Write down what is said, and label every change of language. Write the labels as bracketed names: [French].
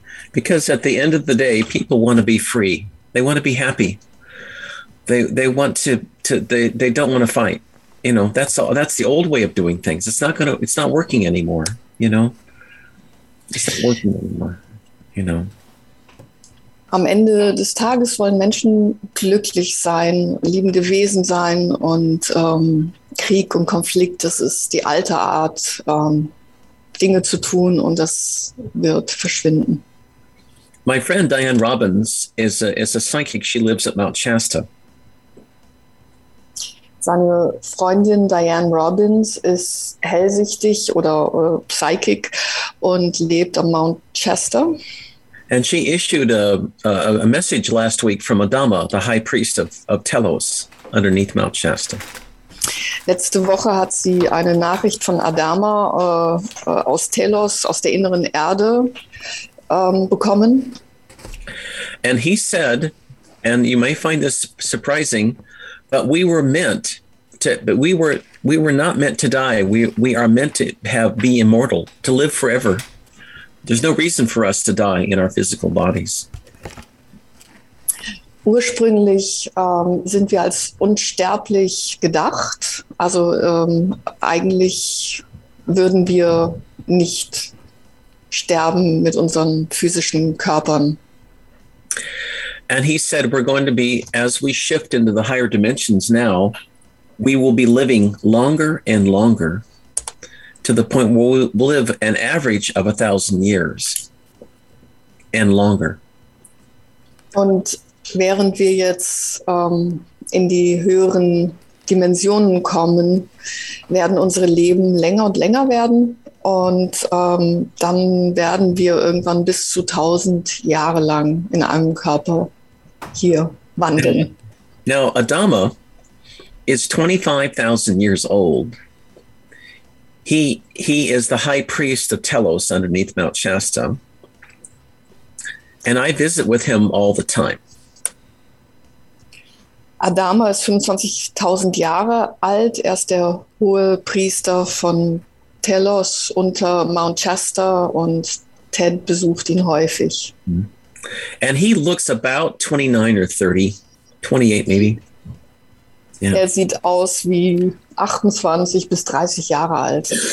[English] Because at the end of the day, people want to be free. They want to be happy. They don't want to fight. You know, that's all. That's the old way of doing things. It's not working anymore. You know, it's not working anymore. You know. [German] Am Ende des Tages wollen Menschen glücklich sein, liebende Wesen sein und Krieg und Konflikt, das ist die alte Art, Dinge zu tun und das wird verschwinden. [English] My friend Diane Robbins is a psychic. She lives at Mount Shasta. [German] Seine Freundin Diane Robbins ist hellsichtig oder psychic und lebt am Mount Shasta. [English] And she issued a message last week from Adama, the high priest of Telos, underneath Mount Shasta. [German] Letzte Woche hat sie eine Nachricht von Adama aus Telos, aus der inneren Erde, bekommen. [English] And he said, and you may find this surprising, but we were not meant to die. We are meant to be immortal, to live forever. There's no reason for us to die in our physical bodies. [German] Ursprünglich sind wir als unsterblich gedacht. Also eigentlich würden wir nicht sterben mit unseren physischen Körpern. [English] And he said we're going to be, as we shift into the higher dimensions now, we will be living longer and longer. To the point where we'll live an average of 1,000 years and longer. [German] Und während wir jetzt in die höheren Dimensionen kommen, werden unsere Leben länger und länger werden. Und dann werden wir irgendwann bis zu 1,000 Jahre lang in einem Körper hier wandeln. [English] Now, Adama is 25,000 years old. He is the high priest of Telos underneath Mount Shasta. And I visit with him all the time. [German] Adama ist 25.000 Jahre alt. Er ist der hohe Priester von Telos unter Mount Shasta und Ted besucht ihn häufig. [English] And he looks about 29 or 30, 28 maybe. Yeah. [German] Er sieht aus wie 28 bis 30 Jahre alt.